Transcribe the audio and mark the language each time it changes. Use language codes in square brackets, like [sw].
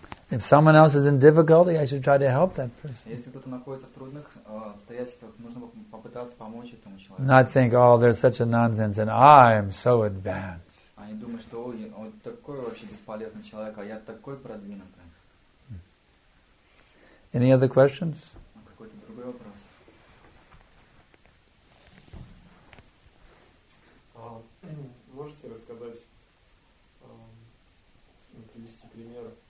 [en] If someone else is in difficulty, I should try to help that person. [ru] Если кто-то находится в трудных обстоятельствах, нужно попытаться помочь этому человеку. [en] Not think, oh, there's such a nonsense, and I am so advanced. [ru] А не думать, что он такой вообще бесполезный человек, а я такой продвинутый. [en] Any other questions? [ru] Какой-то другой вопрос. Можете рассказать, привести пример?